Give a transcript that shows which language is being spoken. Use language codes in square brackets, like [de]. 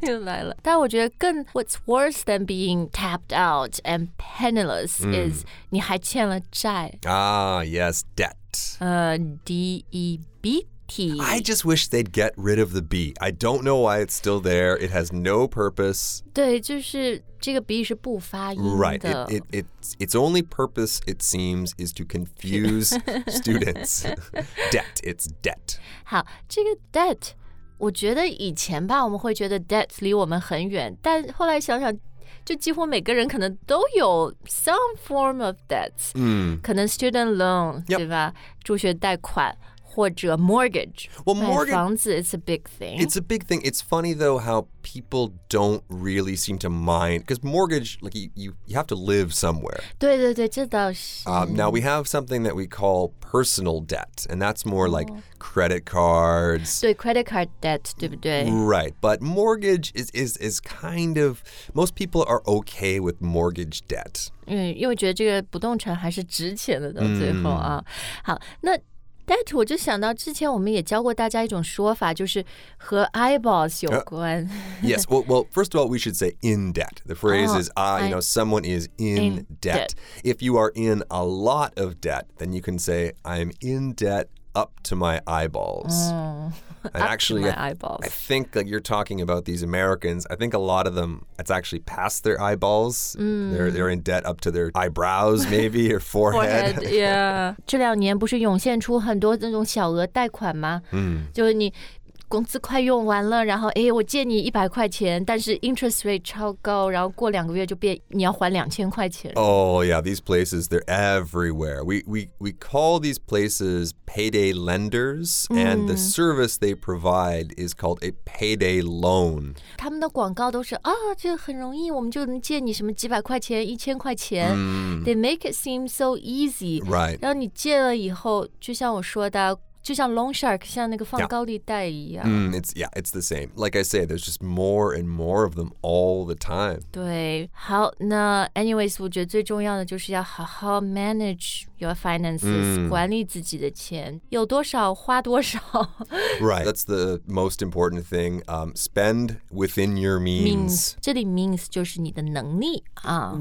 [zh] 又来了。但我觉得更 [en] what's worse than being tapped out and penniless、mm. [zh] is 你还欠了债。 [en] Ah, yes, debt. D-E-B-T. I just wish they'd get rid of the B. I don't know why it's still there. It has no purpose. [zh] 对，就是这个 B 是不发音的。 [en] Right, its only purpose, it seems, is to confuse students. Debt, it's debt. [zh] 好，这个 debt... 我觉得以前吧，我们会觉得 debt 离我们很远，但后来想想，就几乎每个人可能都有 [en] some form of debts，嗯、mm. ， [zh] 可能 student loan、 [en] yep. [zh] 对吧，助学贷款或者 mortgage，买、well, 房子 [en] it's a big thing， it's a big thing， it's funny though how people don't really seem to mind because mortgage like you have to live somewhere， [zh] 对对对，这倒是。 [en] Now we have something that we call personal debt， and that's more like、oh. Credit cards. [zh] 对 credit card debt, 对不对 [en] Right, but mortgage is kind of, most people are okay with mortgage debt. [zh] 嗯，因为觉得这个不动产还是值钱的到最后啊。好，那 debt 我就想到之前我们也教过大家一种说法，就是和 eyeballs 有关。 [en] Yes, well, first of all, we should say in debt. The phrase is, you know, someone is in debt. If you are in a lot of debt, then you can say, I'm in debt. Up to my eyeballs. Mm, up actually, to my eyeballs. I think like, you're talking about these Americans. I think a lot of them, it's actually past their eyeballs.、 Mm. They're in debt up to their eyebrows, maybe, or forehead. Yeah. [zh] 这两年不是涌现出很多那种小额贷款吗、 mm. 就是你工资快用完了然后哎，我借你100块钱但是 interest rate 超高然后过两个月就变你要还2000块钱 [en] Oh yeah, these places, they're everywhere. We call these places payday lenders、mm. and the service they provide is called a payday loan. [zh] 他们的广告都是啊、哦，这很容易我们就能借你什么几百块钱1000块钱、 mm. [en] They make it seem so easy. Right. [zh] 然后你借了以后就像我说的就像 loan shark, 像那个放高利贷一样。 [en] Yeah. Mm, it's the same. Like I say, there's just more and more of them all the time. [zh] 对，好，那 anyways, 我觉得最重要的就是要好好 [en] manage your finances,、 [zh] mm. 管理自己的钱，有多少花多少。 [en] Right, that's the most important thing. Spend within your means. [zh] 这里 means 就是你的能力啊。